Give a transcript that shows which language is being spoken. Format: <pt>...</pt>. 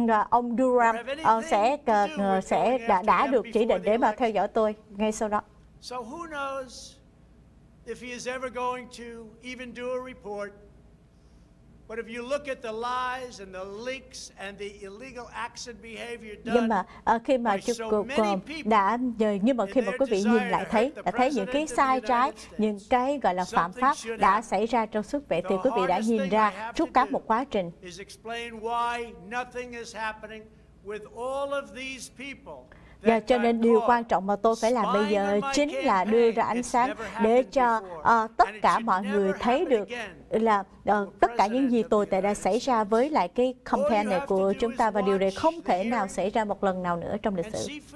<vi>Ông Durham sẽ đã được chỉ định để mà theo dõi tôi ngay sau đó.</vi> <en>So who knows if he is ever going to even do a report. But if you look at the lies and the leaks and the illegal acts and behavior done by so many people,</en> <vi>nhưng mà khi mà quý vị nhìn lại thấy những cái sai trái, những cái gọi là phạm pháp đã xảy ra trong suốt vậy, thì quý vị đã nhìn ra trút cả một quá trình.</vi> <en>Is explain why nothing is happening with all of these people.</en> <vi>Và cho nên điều quan trọng mà tôi phải làm bây giờ chính là đưa ra ánh sáng để cho tất cả mọi người thấy được là tất cả những gì tồi tệ đã xảy ra với lại cái campaign này của chúng ta, và điều này không thể nào xảy ra một lần nào nữa trong lịch sử.</vi>